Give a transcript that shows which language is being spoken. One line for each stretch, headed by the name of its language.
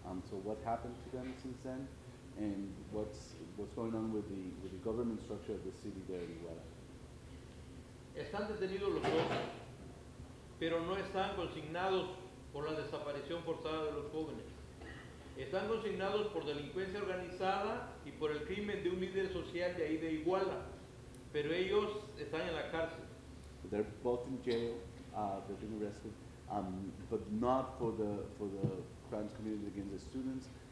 English: So what happened to them since then, and what's going on with the government structure of the city there in Iguala?
Spanish: Están detenidos los dos, pero no están consignados por la desaparición forzada de los jóvenes. Están consignados por delincuencia organizada y por el crimen de un líder social de ahí de Iguala. Pero ellos están en la cárcel.
English: They're both in jail. They've been arrested, but not for the crimes committed against the students.